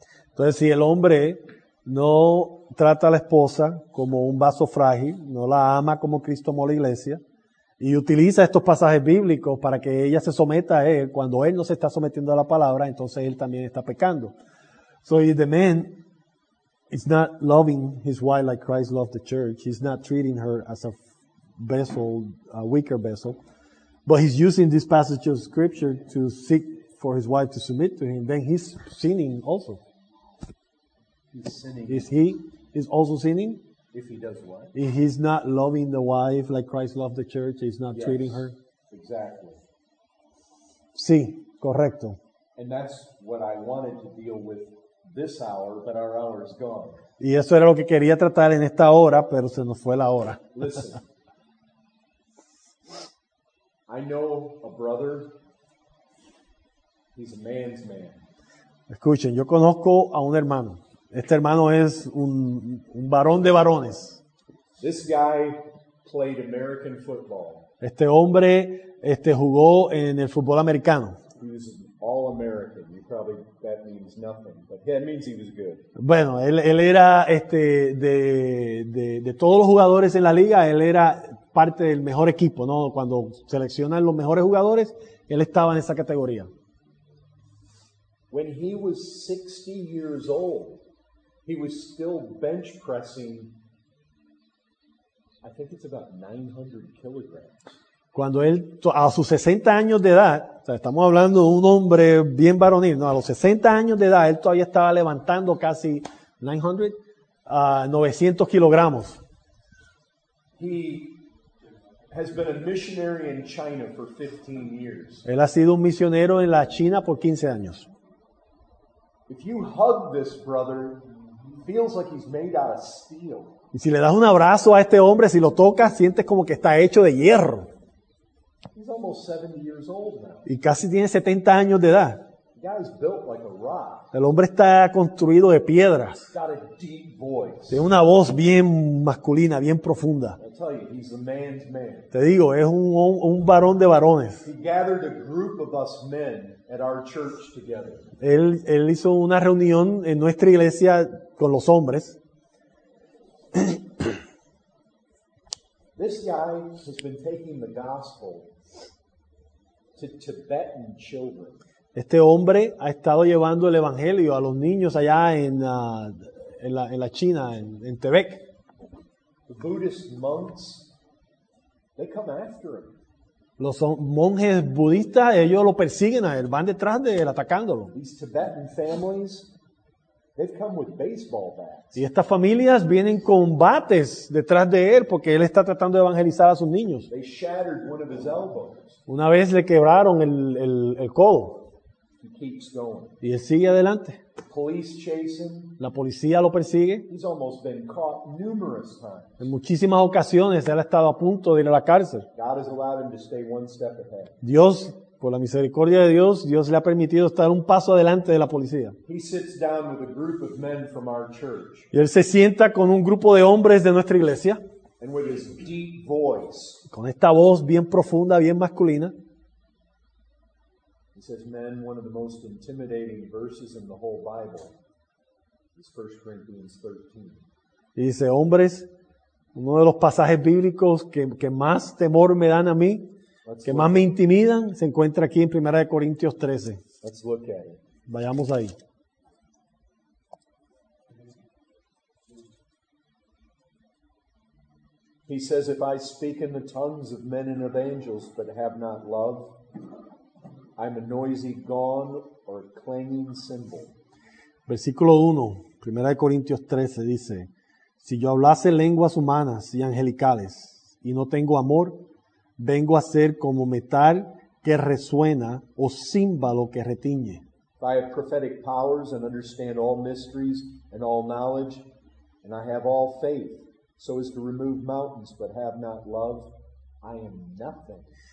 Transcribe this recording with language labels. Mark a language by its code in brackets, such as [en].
[es] Entonces, si el hombre no trata a la esposa como un vaso frágil, no la ama como Cristo amó la iglesia, y utiliza estos pasajes bíblicos para que ella se someta a él, cuando él no se está sometiendo a la palabra, entonces él también está pecando. [en] So if the man is not loving his wife like Christ loved the church, he's not treating her as a vessel, a weaker vessel, but he's using this passage of scripture to seek for his wife to submit to him, then he's sinning also. He's sinning. Is he also sinning? If he does what? If he's not loving the wife like Christ loved the church, he's not yes, treating her? Exactly. [es] Sí, correcto. [en] And that's what I wanted to deal with this hour, but our hour is gone. [es] Y eso era lo que quería tratar en esta hora, pero se nos fue la hora. [en] Listen. I know a brother. He's a man's man. [es] Escuchen, yo conozco a un hermano. Este hermano es un varón de varones. [en] This guy played American football. [es] Este hombre jugó en el fútbol americano. [en] He was all American. You probably, that means nothing, but that means he was good. [es] Bueno, él era de todos los jugadores en la liga, él era parte del mejor equipo, ¿no? Cuando seleccionan los mejores jugadores, él estaba en esa categoría. [en] When he was 60 years old, he was still bench pressing, I think it's about 900 kilograms. [es] Cuando él, a sus 60 años de edad, o sea, estamos hablando de un hombre bien varonil, ¿no? A los 60 años de edad, él todavía estaba levantando casi 900 kilogramos. [en] He has been a missionary in China for 15 years. [es] Él ha sido un misionero en la China por 15 años. [en] If you hug this brother, feels like he's made out of steel. [es] Y si le das un abrazo a este hombre, si lo tocas, sientes como que está hecho de hierro. [en] He's almost 70 years old now. [es] Y casi tiene 70 años de edad. [en] The guy's built like a rock. [es] El hombre está construido de piedras. [en] He's got a deep voice. [es] Tiene una voz bien masculina, bien profunda. [en] I'll tell you, he's a man's man. [es] Te digo, es un varón de varones. [en] He gathered a group of us men at our church together. [es] Él hizo una reunión en nuestra iglesia con los hombres. [en] This guy has been taking the gospel to Tibetan children. [es] Este hombre ha estado llevando el evangelio a los niños allá en la China, en Tibet. [en] The Buddhist monks, they come after him. [es] Los monjes budistas, ellos lo persiguen a él, van detrás de él atacándolo. [en] These Tibetan families, they've come with baseball bats. [es] Y estas familias vienen con bates detrás de él porque él está tratando de evangelizar a sus niños. [en] They shattered one of his elbows. [es] Una vez le quebraron el codo. [en] He keeps going. [es] Y él sigue adelante. [en] Police chase him. [es] La policía lo persigue. [en] He's almost been caught numerous times. [es] En muchísimas ocasiones él ha estado a punto de ir a la cárcel. [en] God has allowed him to stay one step ahead. [es] Dios, por la misericordia de Dios, Dios le ha permitido estar un paso adelante de la policía. [en] He sits down with a group of men from our church. [es] Y él se sienta con un grupo de hombres de nuestra iglesia. [en] And with his deep voice, [es] con esta voz bien profunda, bien masculina. [en] He says, "Men, one of the most intimidating verses in the whole Bible is 1 Corinthians 13." [es] Y dice, hombres, uno de los pasajes bíblicos que más temor me dan a mí, que más me intimidan, se encuentra aquí en 1 Corintios 13. [en] Let's look at it. [es] Vayamos ahí. [en] He says, "If I speak in the tongues of men and of angels, but have not love, I'm a noisy gong or clanging cymbal." [es] Versículo 1, 1 Corintios 13 dice, "Si yo hablase lenguas humanas y angelicales y no tengo amor, vengo a ser como metal que resuena o címbalo que retiñe." [en] "If I have prophetic powers and understand all mysteries and all knowledge, and I have all faith, so as to remove mountains but have not love, I am nothing."